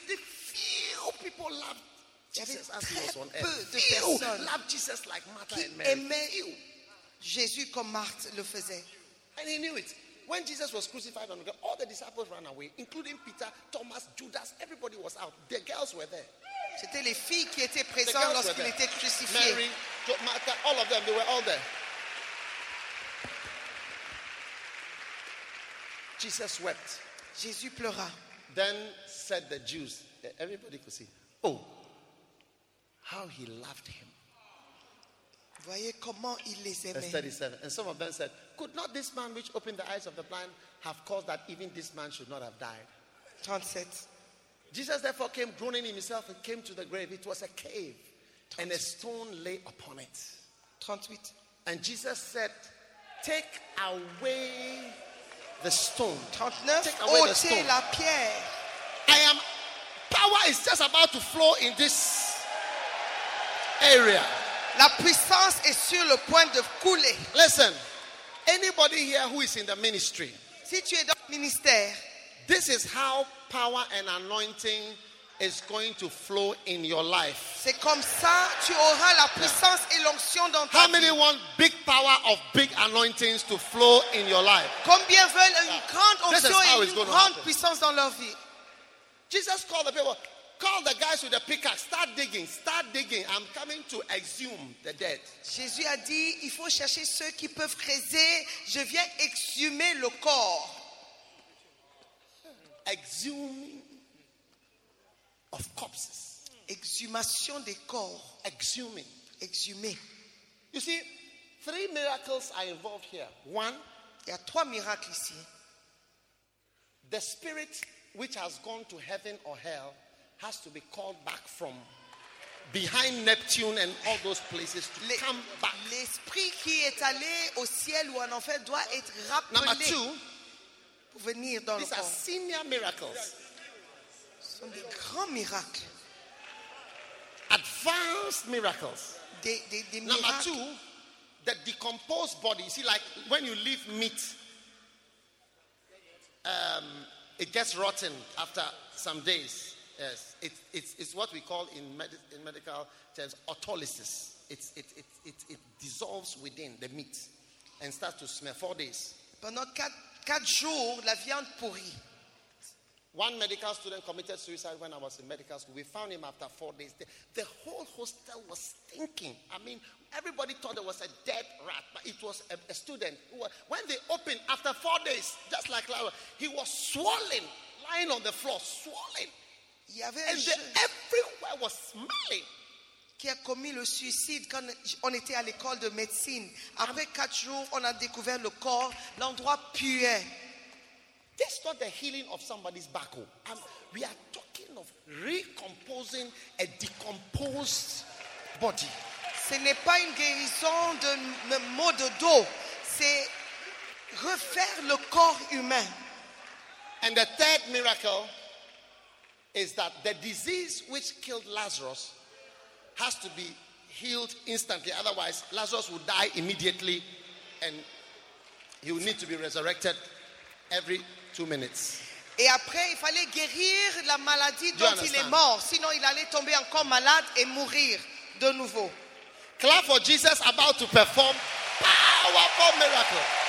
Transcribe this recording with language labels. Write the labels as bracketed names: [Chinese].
[English] The few people loved Jesus as he was on earth. Few loved Jesus like Martha and Mary. [French] Aimait Jésus comme Marthe le faisait. [English] And he knew it. When Jesus was crucified on the cross, all the disciples ran away, including Peter, Thomas, Judas. Everybody was out. The girls were there. [French] C'était les filles qui étaient présentes lorsqu'il était crucifié. [English] Mary, Martha, all of them, they were all there. Jesus wept. [French] Jésus pleura. [English] Then said the Jews, everybody could see, oh, how he loved him. [French] Voyez comment il les aimait. [English] Verse 37. And some of them said, could not this man which opened the eyes of the blind have caused that even this man should not have died? 37. Jesus therefore came groaning himself and came to the grave. It was a cave. 38. And a stone lay upon it. 38. And Jesus said, take away the stone. 39. Take away the stone. [French] La pierre. [English] I am, power is just about to flow in this area. [French] La puissance est sur le point de couler. [English] Listen, anybody here who is in the ministry, [French] si tu es dans le ministère, [English] this is how power and anointing is going to flow in your life. [French] C'est comme ça tu auras la puissance et l'onction dans ta vie. [English] How many want big power of big anointings to flow in your life? [French] Combien veulent une grande onction et une grande puissance dans leur vie? [English] Jesus called the people. Call the guys with the pickaxe. Start digging. Start digging. I'm coming to exhume the dead. [French] Jésus a dit, il faut chercher ceux qui peuvent creuser. Je viens exhumer le corps. [English] Exhuming of corpses. [French] Exhumation des corps. [English] Exhuming. [French] Exhumer. [English] You see, three miracles are involved here. One. [French] Il y a trois miracles ici. [English] The spirit which has gone to heaven or hell has to be called back from behind Neptune and all those places to come back. [French] L'esprit qui est allé au ciel ou en enfer doit être rappelé. [English] Number two, [French] pour venir dans [English] these are senior miracles. [French] Ce sont des grands miracles. [English] Advanced miracles. [French] Des [English] number miracles. Two, the decomposed body. You see, like when you leave meat, it gets rotten after some days. Yes, it's what we call in medical terms autolysis. It dissolves within the meat and starts to smell. 4 days. [French] Pendant 4 jours, la viande pourrit. [English] One medical student committed suicide when I was in medical school. We found him after 4 days. The whole hostel was stinking. I mean, everybody thought there was a dead rat, but it was a student. When they opened after 4 days, just like Laura, he was swollen, lying on the floor, swollen. [French] Il y avait [English] and everywhere was smelling. [French] Qui a commis le suicide quand on était à l'école de médecine. Après 4 jours, on a découvert le corps, l'endroit puait. [English] This is not the healing of somebody's back. We are talking of recomposing a decomposed body. [French] Ce n'est pas une guérison de maux de dos. C'est refaire le corps humain. [English] And the third miracle is that the disease which killed Lazarus has to be healed instantly. Otherwise, Lazarus would die immediately and he would need to be resurrected every 2 minutes. [French] Et après, il fallait guérir la maladie dont il est mort. Sinon, il allait tomber encore malade et mourir de nouveau. [English] Clap for Jesus about to perform powerful miracle.